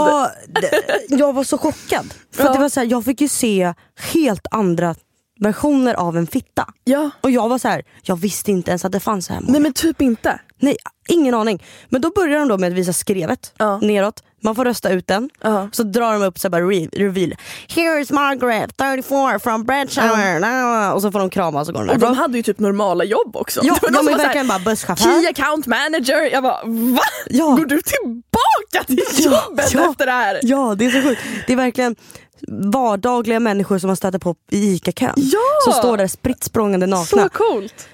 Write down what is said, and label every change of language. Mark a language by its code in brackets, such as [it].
[sv] Alltså jag var så chockad för att det var så här, jag fick ju se helt andra versioner av en fitta. Ja. Och jag var så här, jag visste inte ens att det fanns så här. Nej men typ inte. Nej, ingen aning. Men då börjar de då med att visa skrevet neråt. Man får rösta ut den. Så drar de upp så bara reveal. [en] Here's Margaret, 34, from Bradshaw. [sv] Och så får de krama så går de. Och de hade ju typ normala jobb också. Ja, de är verkligen bara busschaufför. Key account manager. Jag bara, va? Ja. Går du tillbaka till jobbet efter det här? Ja, det är så sjukt. Det är verkligen vardagliga människor som har stöttat på i ICA-kön. Ja! Som står där sprittsprångande nakna. Så coolt.